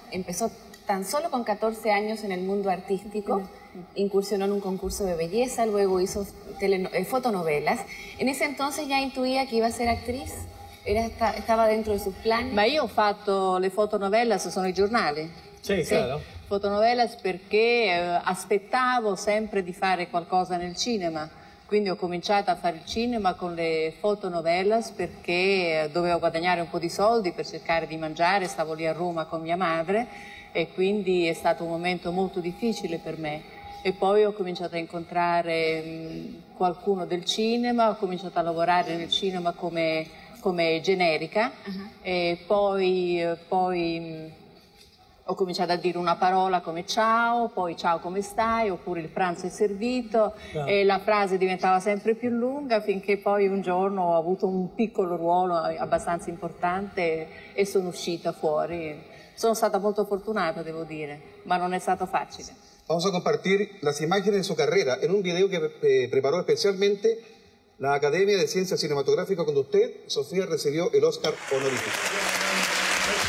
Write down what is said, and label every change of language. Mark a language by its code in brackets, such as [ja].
[es] Empezó tan solo con 14 años en el mundo artístico. Incursionó en un concurso de belleza, luego hizo fotonovelas. En ese entonces ya intuía que iba a ser actriz. Estaba dentro de sus planes. [it] Ma io ho fatto le fotonovelas, sono i giornali. Sì, sì, [es] claro. [it] Fotonovelas perché aspettavo sempre di fare qualcosa nel cinema. Quindi ho cominciato a fare il cinema con le fotonovelas perché dovevo guadagnare un po' di soldi per cercare di mangiare, stavo lì a Roma con mia madre e quindi è stato un momento molto difficile per me. E poi ho cominciato a incontrare qualcuno del cinema, ho cominciato a lavorare nel cinema come generica e poi ho cominciato a dire una parola come ciao, poi ciao come stai, oppure il pranzo è servito e la frase diventava sempre più lunga finché poi un giorno ho avuto un piccolo ruolo abbastanza importante e sono uscita fuori. Sono stata molto fortunata, devo dire, ma non è stato facile. [es] Vamos a compartir las imágenes de su carrera en un video que preparó especialmente la Academia de Ciencias Cinematográficas cuando usted, Sofía, recibió el Oscar honorífico.